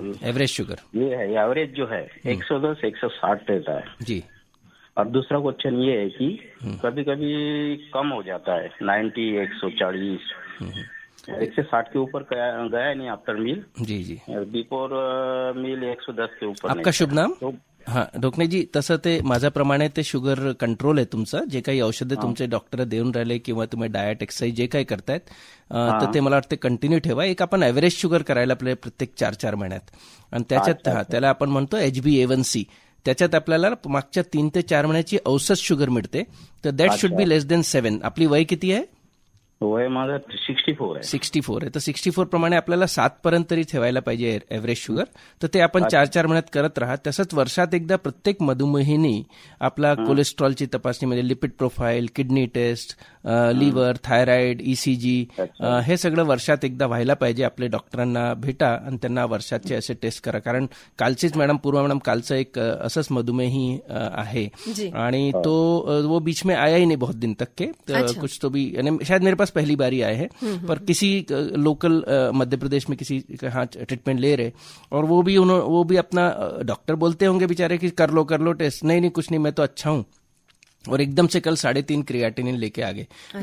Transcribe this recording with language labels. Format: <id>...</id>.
<hi>Average sugar ये है, average जो है 110-160 रहता है जी। और दूसरा क्वेश्चन ये है कि कभी कभी कम हो जाता है, 90-140, 160 के ऊपर गया नहीं आफ्टर मील जी। जी, बिफोर मील 110 के ऊपर। आपका शुभ नाम?</hi> <mr>हाँ डॉक्टर जी, तसं ते माझ्या प्रमाणे ते शुगर कंट्रोल आहे तुमचं, जे काही औषधे तुमचे डॉक्टर देऊन राहिले किंवा तुम्ही डायट एक्सरसाइज जे काही करतायत, तर ते मला वाटतं कंटिन्यू ठेवा। एक आपण एव्हरेज शुगर करायला आपले प्रत्येक 4-4 महिन्यात, आणि त्याच्यात त्याला आपण म्हणतो HbA1c, त्याच्यात आपल्याला मागच्या 3-4 महिन्याची औषध शुगर मिळते, तर</mr> <en>That should be less than 7।</en> <mr>आपली वय किती आहे? वय माझं 64 आहे। तर 64 प्रमाणे आपल्याला 7 पर्यंत तरी ठेवायला पाहिजे एव्हरेज शुगर, तर ते आपण 4-4 महिन्यात करत राहा। तसंच वर्षात एकदा प्रत्येक मधुमेहिनी आपला कोलेस्ट्रॉलची तपासणी, म्हणजे lipid profile, kidney taste, liver, thyroid, ECG, हे सगळं वर्षात एकदा व्हायला पाहिजे। आपले डॉक्टरांना भेटा आणि त्यांना वर्षाचे असे टेस्ट करा, कारण कालचीच मॅडम, पूर्वा मॅडम, कालचं एक असंच मधुमेही आहे, आणि तो</mr> <hi>वो बीच में आया ही नाही बहुत दिन तक के, कुछ तो भी, शायद मेरे पास पहली बारी आए हैं, पर किसी लोकल मध्य प्रदेश में किसी का हाँ ट्रीटमेंट ले रहे, और वो भी अपना डॉक्टर बोलते होंगे बेचारे कि कर लो टेस्ट, नहीं नहीं कुछ नहीं मैं तो अच्छा हूं, और एकदम से कल 3.5 क्रिएटिनिन लेके आ गए। अच्छा।</hi>